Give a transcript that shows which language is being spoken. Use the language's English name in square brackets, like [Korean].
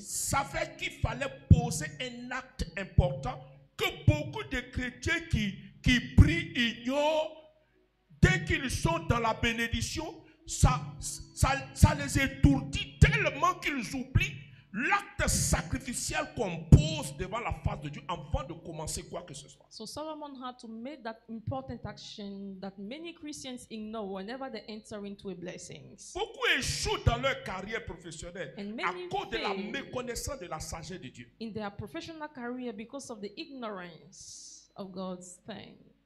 [French] Savait qu'il fallait poser un acte important que beaucoup de chrétiens qui prient ignorent dès qu'ils sont dans la bénédiction, ça les étourdit tellement qu'ils oublient l'acte sacrificiel qu'on pose devant la face de Dieu avant de commencer quoi que ce soit. [English] So Solomon had to make that important action that many Christians ignore whenever they enter into a blessing. [French] Beaucoup échouent dans leur carrière professionnelle à cause de la méconnaissance de la sagesse de Dieu. [English] In their professional career because of the ignorance of God's thing.